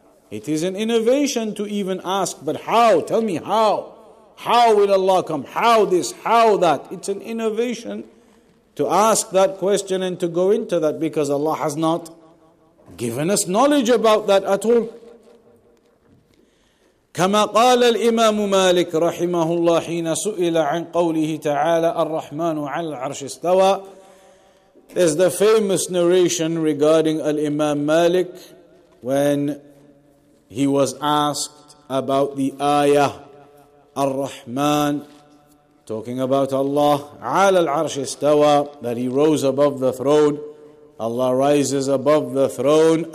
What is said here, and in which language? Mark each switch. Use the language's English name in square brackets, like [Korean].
[English] It is an innovation to even ask, but how? Tell me how. How will Allah come? How this? How that? It's an innovation to ask that question and to go into that, because Allah has not given us knowledge about that at all. [Arabic] كما قال الإمام مالك رحمه الله حين سئل عن قوله تعالى الرحمن على العرش استوى. [English] There's the famous narration regarding Al-Imam Malik when he was asked about the ayah Ar-Rahman, talking about Allah, [Arabic] عَلَى الْعَرْشِ اسْتَوَى, [English] that he rose above the throne, Allah rises above the throne.